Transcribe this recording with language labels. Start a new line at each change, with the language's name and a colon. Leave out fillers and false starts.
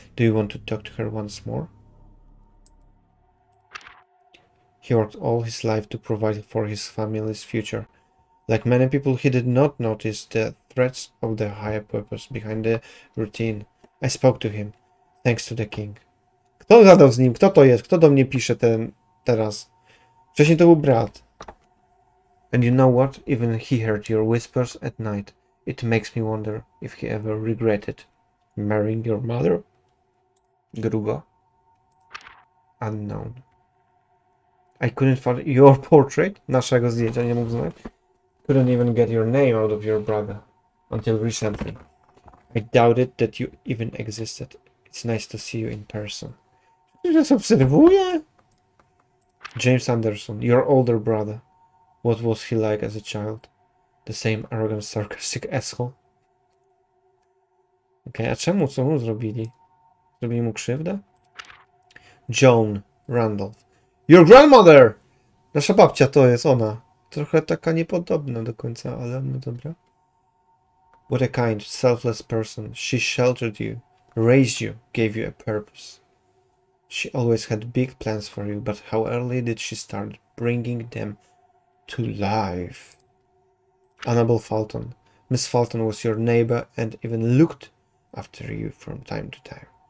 English: Do you want to talk to her once more? He worked all his life to provide for his family's future. Like many people, he did not notice the threats of the higher purpose behind the routine. I spoke to him, thanks to the king.
Polish: Kto gadał z nim? Kto to jest? Kto do mnie pisze ten teraz? Wcześniej to był brat.
English: And you know what? Even he heard your whispers at night. It makes me wonder if he ever regretted marrying your mother?
Polish: Grubo.
English: Unknown. I couldn't find your portrait,
Polish: naszego zdjęcia, nie mógł znać.
English: Couldn't even get your name out of your brother until recently. I doubted that you even existed. It's nice to see you in person. Just obserwuję. James Anderson, your older brother. What was he like as a child? The same arrogant, sarcastic asshole.
Polish: Okej, okay, a czemu? Co mu zrobili? Zrobili mu krzywdę? Joan Randolph.
English: Your grandmother!
Polish: Nasza babcia to jest ona. Trochę taka niepodobna do końca, ale no dobra.
English: What a kind, selfless person. She sheltered you, raised you, gave you a purpose. She always had big plans for you, but how early did she start bringing them to life? Annabel Fulton. Miss Fulton was your neighbor and even looked after you from time to time.